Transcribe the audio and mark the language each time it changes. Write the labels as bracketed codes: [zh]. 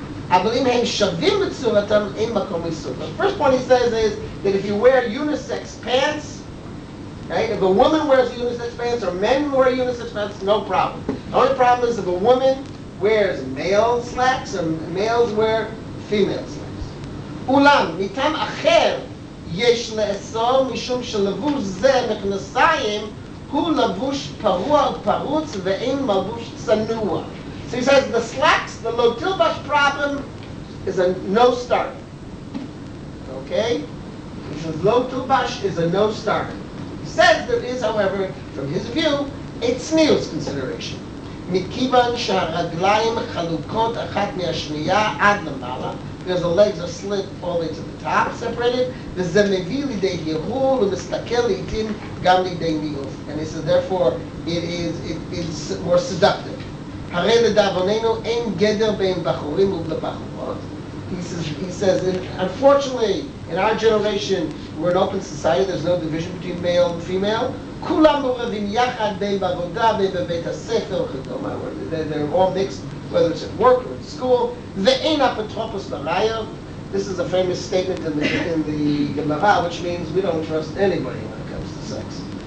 [he] אבל אם הם שווים בצורתם, אין מקום לאיסור. [en] The first point he says is that if you wear unisex pants, right, if a woman wears unisex pants or men wear unisex pants, no problem. The only problem is if a woman wears male slacks and males wear female slacks. [he] אולם, מטעם אחר יש לאסור משום שלבוש זה מכנסיים הוא לבוש פרוע פרוץ ואין מלבוש צנוע. [en] So he says, the slacks, the lo tilbash problem, is a no start. Okay? He says, lo tilbash is a no start. He says there is, however, from his view, a tzniut consideration. [he] Mikivan sha'raglayim chalukot achat mi'ashmiya ad lamala, [en] because the legs are slit all the way to the top, separated. [he] V'zeh mevi lidei yehul u'mistakel li'itim gam lidei ni'uf. [en] And he says, therefore, it is more seductive. [he] הרי לדאבוננו אין גדר בין בחורים ובחורות. [en] He says, unfortunately, in our generation, we're an open society, there's no division between male and female. [he] כולם מורבים יחד בין בעבודה ובבית הספר, [en] they're all mixed, whether it's at work or at school. [he] ואין אפוטרופוס לראיה. [en] This is a famous statement in the Gemara, which means we don't trust anybody when it comes to sex.